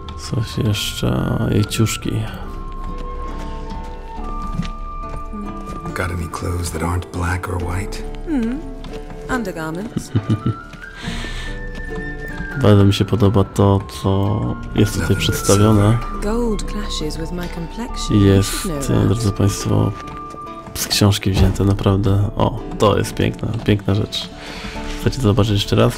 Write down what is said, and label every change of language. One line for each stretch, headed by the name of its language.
Polish: Coś jeszcze, jej ciuszki.
English: Got any clothes that aren't black or white? Undergarments.
Polish: Bardzo mi się podoba to, co jest tutaj przedstawione.
English: Gold clashes with my complexion.
Polish: Jest, drodzy państwo, z książki wzięte, naprawdę. O, to jest piękna, piękna rzecz. Chcecie zobaczyć jeszcze raz?